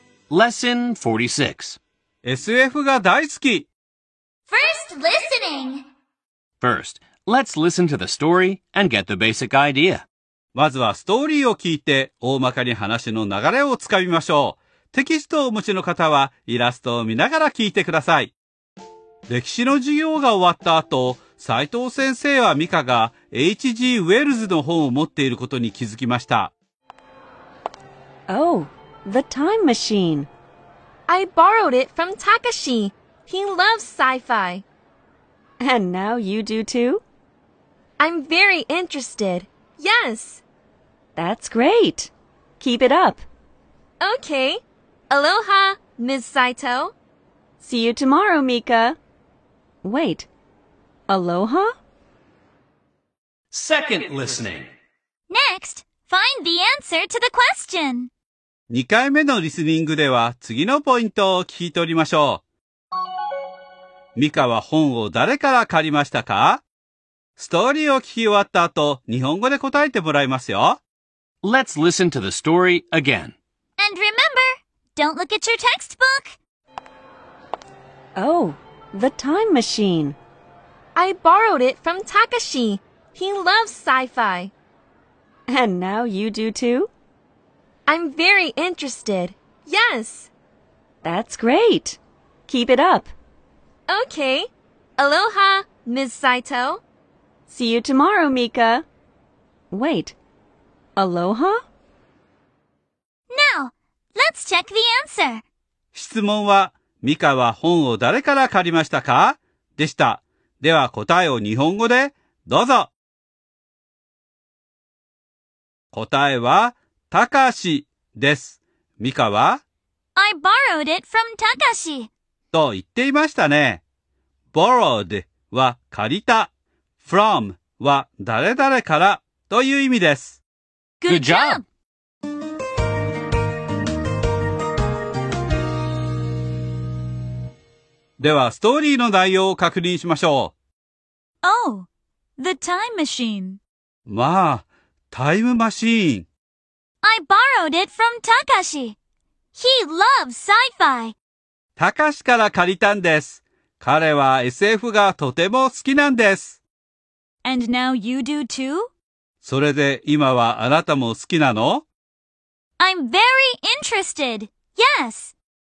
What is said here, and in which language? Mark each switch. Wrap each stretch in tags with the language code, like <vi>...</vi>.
<en>Lesson 46.</en> <ja>SF が大好き。</ja> <en>First listening. First, let's listen to the story and get the basic idea.</en> <ja>まずはストーリーを聞いて大まかに話の流れをつかみましょう。テキストをお持ちの方はイラストを見ながら聞いてください。歴史の授業が終わった後、斉藤先生はミカが H.G. ウェルズの本を持っていることに気づきました。</ja> <en>Oh. The time machine. I borrowed it from Takashi. He loves sci-fi. And now you do too? I'm very interested. Yes. That's great. Keep it up. Okay. Aloha, Ms. Saito. See you tomorrow, Mika. Wait. Aloha? Second listening. Next, find the answer to the question.</en> <ja>2回目のリスニングでは次のポイントを聞き取りましょう。ミカは本を誰から借りましたか？ストーリーを聞き終わった後、日本語で答えてもらいますよ。</ja> <en>Let's listen to the story again. And remember, don't look at your textbook! Oh, the time machine. I borrowed it from Takashi. He loves sci-fi. And now you do too? I'm very interested. Yes. That's great. Keep it up. Okay. Aloha, Ms. Saito. See you tomorrow, Mika. Wait. Aloha? Now, let's check the answer.</en> <ja>質問は、ミカは本を誰から借りましたか？でした。では答えを日本語でどうぞ。答えは、たかし。です。ミカは</ja> <en>I borrowed it from Takashi</en> <ja>と言っていましたね。 borrowed は借りた。from は誰々からという意味です。</ja> <en>Good job!</en> <ja>ではストーリーの内容を確認しましょう。</ja> <en>Oh, the time machine.</en> <ja>まあ、タイムマシーン。</ja> <en>I borrowed it from Takashi. He loves sci-fi.</en> <ja>Takashi から借りたんです。彼は SF がとても好きなんです。</ja> <en>And now you do too?</en> <ja>それで今はあなたも好きなの?</ja> <en>I'm very interested. Yes.</en>